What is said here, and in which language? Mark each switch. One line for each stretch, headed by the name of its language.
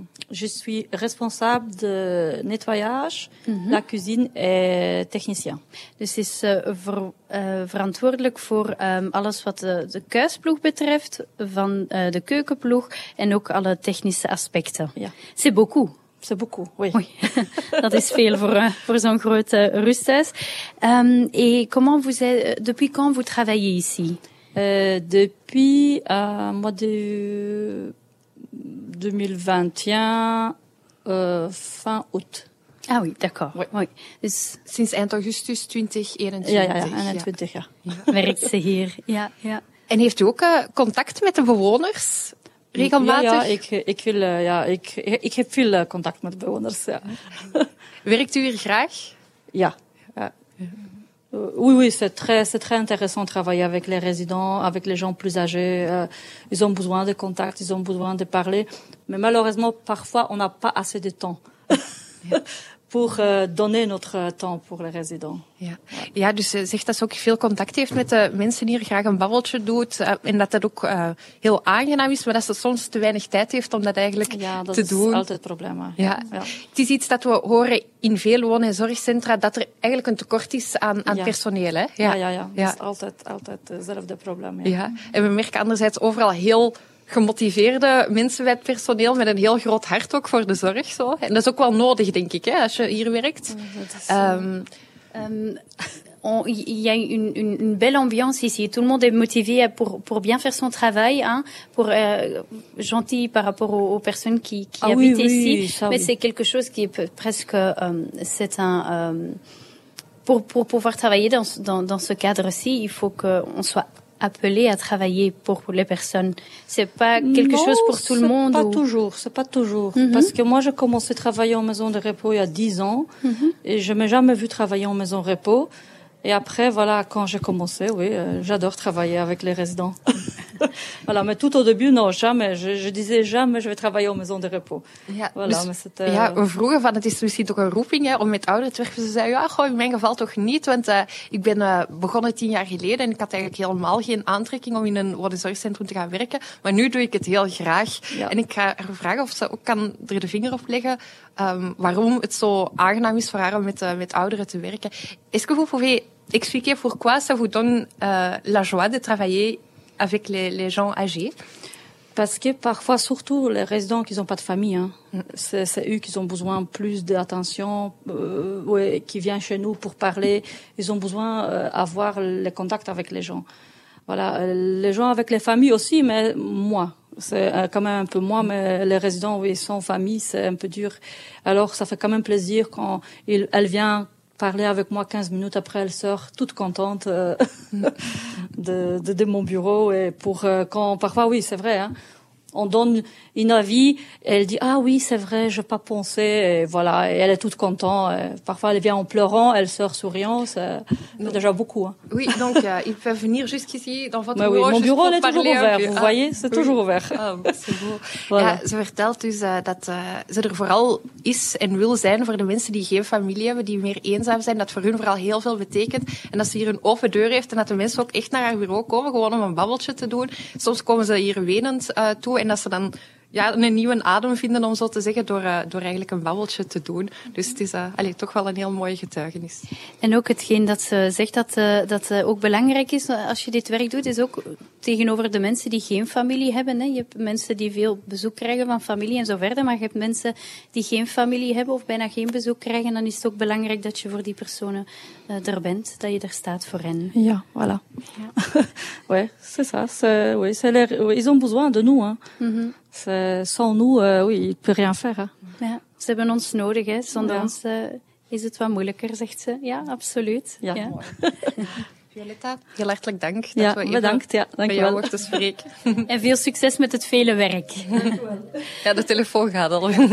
French: Je suis responsable de nettoyage, mm-hmm. la cuisine et technicien.
Dutch: Dus is verantwoordelijk voor alles wat de kuisploeg betreft, van de keukenploeg en ook alle technische aspecten. Ja.
French: C'est beaucoup. C'est beaucoup, oui. Oui.
Dutch: Dat is veel voor zo'n groot rusthuis.
French: Et comment vous êtes, depuis quand vous travaillez ici? Depuis mois de 2021, fin août. Ah oui, d'accord. Oui. Oui.
Dutch: Dus sinds eind augustus 2021. Ja, 21, ja. Werkt ze hier, ja, ja. En heeft u ook contact met de bewoners? Regelmatig? Ja, ik heb veel contact met bewoners, ja. Werkt u hier graag? Ja.
French: Oui, c'est très intéressant de travailler avec les résidents, avec les gens plus âgés. Ils ont besoin de contact, ils ont besoin de parler. Mais malheureusement, parfois, on n'a pas assez de temps pour donner notre temps pour les résidents.
Dutch: Ja, ja, dus zegt dat ze ook veel contact heeft met de mensen hier, graag een babbeltje doet en dat dat ook heel aangenaam is, maar dat ze soms te weinig tijd heeft om dat eigenlijk te doen. Ja, dat is altijd problemen. Ja. Ja. Het is iets dat we horen in veel woon- en zorgcentra, dat er eigenlijk een tekort is aan personeel. Hè? Ja. Ja. Dat is altijd hetzelfde probleem. Ja. Ja, en we merken anderzijds overal heel gemotiveerde mensen bij het personeel met een heel groot hart ook voor de zorg. Zo. En dat is ook wel nodig, denk ik, hè, als je hier werkt.
French: Il y a une belle ambiance ici. Tout le monde est motivé pour bien faire son travail, hein, pour gentil par rapport aux personnes qui habitent ici. Mais c'est quelque chose qui est presque c'est un pour pouvoir travailler dans ce cadre-ci, il faut qu'on soit appelé à travailler pour les personnes. C'est pas quelque chose pour tout le monde. Pas toujours. C'est pas toujours. Mm-hmm. Parce que moi, j'ai commencé à travailler en maison de repos il y a 10 ans. Mm-hmm. Et je m'ai jamais vu travailler en maison de repos. Et après, voilà, quand j'ai commencé, oui, j'adore travailler avec les résidents. Voilà. Mais tout au début, non, jamais. Je disais jamais je vais travailler en maison de repos. Ja, voilà. Dus, mais c'était.
Dutch: Ja, we vroegen van, het is misschien toch een roeping, hè, om met ouderen te werken. Ze zeiden, ja, goh, in mijn geval toch niet. Want, ik ben, begonnen 10 jaar geleden en ik had eigenlijk helemaal geen aantrekking om in een woonzorgcentrum te gaan werken. Maar nu doe ik het heel graag. Ja. En ik ga haar vragen of ze ook kan er de vinger op leggen, waarom het zo aangenaam is voor haar om met ouderen te werken.
French: Est-ce que vous pouvez expliquer pourquoi ça vous donne, la joie de travailler avec les gens âgés? Parce que parfois, surtout les résidents qui n'ont pas de famille, hein, c'est eux qui ont besoin plus d'attention, ouais, qui viennent chez nous pour parler. Ils ont besoin d'avoir le contact avec les gens. Voilà, les gens avec les familles aussi, mais moi, c'est quand même un peu moi, mais les résidents, oui, sans famille, c'est un peu dur. Alors, ça fait quand même plaisir quand elle vient parler avec moi 15 minutes après, elle sort toute contente de mon bureau et pour quand parfois oui c'est vrai hein, On donne une avis, elle dit « Ah oui, c'est vrai, je n'ai pas pensé ». Et voilà, et elle est toute contente. Parfois, elle vient en pleurant, elle sort souriant. C'est déjà beaucoup. Hein. Oui, donc ils peuvent venir jusqu'ici, dans votre bureau. Oui, mon bureau est toujours ouvert, vous voyez, c'est toujours ouvert. Ah, c'est beau. Voilà.
Dutch: Ja, ze vertelt dus dat ze er vooral is en wil zijn voor de mensen die geen familie hebben, die meer eenzaam zijn, dat voor hun vooral heel veel betekent. En dat ze hier een open deur heeft en dat de mensen ook echt naar haar bureau komen, gewoon om een babbeltje te doen. Soms komen ze hier wenend toe. En dat ze dan ja, een nieuwe adem vinden, om zo te zeggen, door eigenlijk een babbeltje te doen. Dus het is toch wel een heel mooie getuigenis. En ook hetgeen dat ze zegt, dat ook belangrijk is als je dit werk doet, is ook tegenover de mensen die geen familie hebben. Hè. Je hebt mensen die veel bezoek krijgen van familie en zo verder, maar je hebt mensen die geen familie hebben of bijna geen bezoek krijgen. Dan is het ook belangrijk dat je voor die personen er bent, dat je er staat voor hen.
French: Ja, voilà. Ja, ouais, c'est ça. Ils ont besoin de nous. Hein. Mm-hmm. Sans nous, oui, il peut rien faire. Hein.
Dutch: Ja, ze hebben ons nodig, hè. Zonder ja. ons is het wat moeilijker, zegt ze. Ja, absoluut. Ja, ja. Violetta, heel hartelijk dank. Dat ja, bedankt. Ja, dank je wel. Bij jou mochten spreken. En veel succes met het vele werk. Ja, de telefoon gaat al.